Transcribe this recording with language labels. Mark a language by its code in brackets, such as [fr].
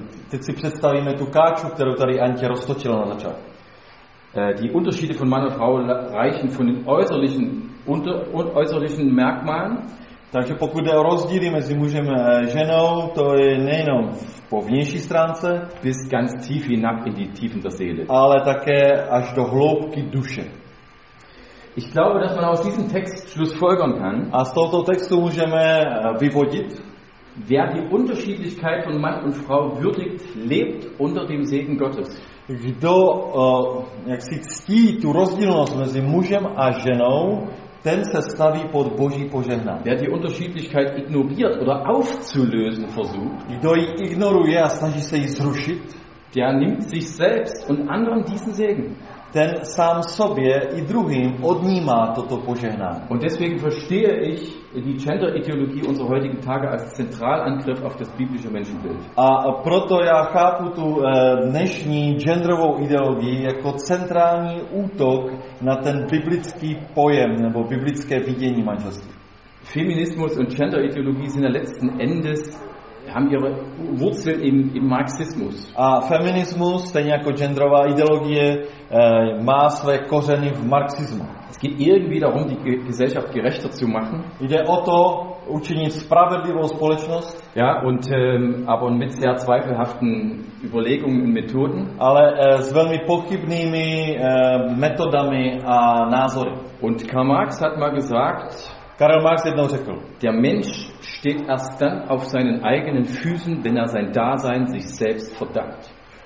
[cs] Teď si představíme tu káču, kterou tady Antje roztočila na začátku. [de] Die Unterschiede von Mann und Frau reichen von den äußerlichen Merkmalen. [cs] Takže pokud jde o rozdíly mezi mužem a ženou, to je nejenom po vnější stránce, [de] bis ganz tief hinab in die Tiefen der Seele. [cs] Ale také až do hloubky duše. [de] Ich glaube, dass man aus diesem Text schlussfolgern kann. [cs] A z tohoto textu můžeme vyvodit. [de] Wer die Unterschiedlichkeit von Mann und Frau würdigt, lebt unter dem Segen Gottes. [cs] Kdo jak si ctí tu rozdílnost mezi mužem a ženou, ten se staví pod Boží požehnání. [de] Wer die Unterschiedlichkeit ignoriert oder aufzulösen versucht, [cs] kdo ji ignoruje a snaží se ji zrušit, [de] der nimmt sich selbst und anderen diesen Segen. [cs] Ten sám sobě i druhým odnímá toto požehnání. [de] Und deswegen verstehe ich die Gender-Ideologie unserer heutigen Tage als Zentralangriff auf das biblische Menschenbild. [cs] A proto já chápu tu dnešní genderovou ideologii jako centrální útok na ten biblický pojem nebo biblické vidění manželství. [de] Feminismus und Gender-Ideologie sind letzten Endes haben ihre Wurzeln im Marxismus. [cs] A feminismus, stejně jako genderová ideologie, má své kořeny v marxismu. [de] Es geht irgendwie darum, die Gesellschaft gerechter zu machen. [cs] Jde o to, učinit spravedlivou společnost. [de] Ja, und aber mit sehr zweifelhaften Überlegungen und Methoden. [cs] Ale s velmi pochybnými metodami a názory. [de] Und Karl Marx hat mal gesagt, [cs] Karl Marx jednou řekl, [de] der Mensch steht erst dann auf seinen eigenen Füßen, wenn er sein Dasein sich selbst verdankt.